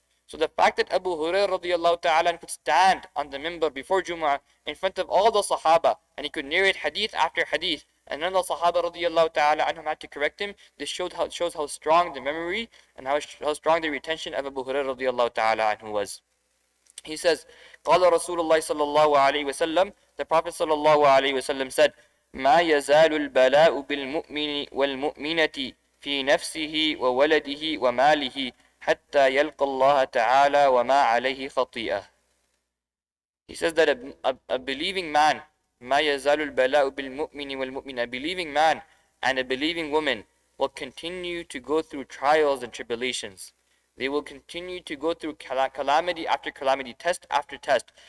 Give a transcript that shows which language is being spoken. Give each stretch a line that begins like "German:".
English: So the fact that Abu Hurairah radiallahu ta'ala could stand on the minbar before Jumu'ah in front of all the Sahaba, and he could narrate hadith after hadith, and then the Sahaba radiallahu ta'ala anhum had to correct him, this shows how strong the memory and how strong the retention of Abu Hurairah radiallahu ta'ala anhu was. He says,
Arabic: قال رسول الله صلى الله عليه وسلم,
English: the Prophet
Arabic: صلى الله عليه وسلم
English: said,
Arabic: ما يزال البلاء بالمؤمن والمؤمنة في نفسه وولده وماله حتى يلقى الله تعالى وما عليه خطيئة.
English: He says that a believing man,
Arabic: ما يزال البلاء بالمؤمن والمؤمنة,
English: a believing man and a believing woman will continue to go through trials and tribulations. They will continue to go through calamity after calamity, test after test.